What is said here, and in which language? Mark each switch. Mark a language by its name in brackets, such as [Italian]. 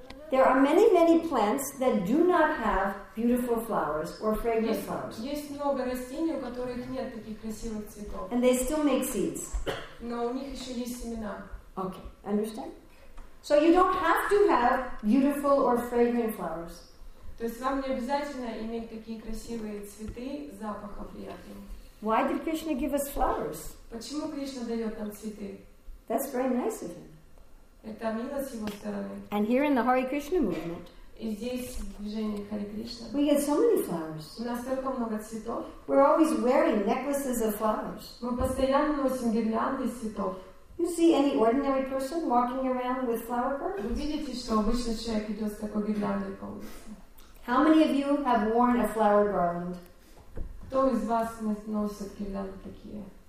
[English] There are many, many plants that do not have beautiful flowers or fragrant flowers. [Russian] Есть много растений, у которых нет таких красивых цветов. [English] And they still make seeds. [Russian] Но у них еще есть семена. [English] Okay, understand? So you don't have to have beautiful or fragrant flowers. [Russian] То есть вам не обязательно иметь такие красивые цветы, запахов приятный. [English] Why did Krishna give us flowers? [Russian] Почему Кришна дает нам цветы? [English] That's very nice of him. [Russian] Это мило с его стороны. [English] And here in the Hare Krishna movement, [Russian] и здесь, в движении Hare Krishna, [English] we get so many flowers. [Russian] У нас столько много цветов. [English] We're always wearing necklaces of flowers. [Russian] Мы постоянно носим гирлянды из цветов. [English] You see any ordinary person walking around with flower purse? [Russian] Вы видите, что обычный человек идет с такой гирляндой по улице? [English] How many of you have worn a flower garland? [Russian] Кто из вас носит гирлянды такие?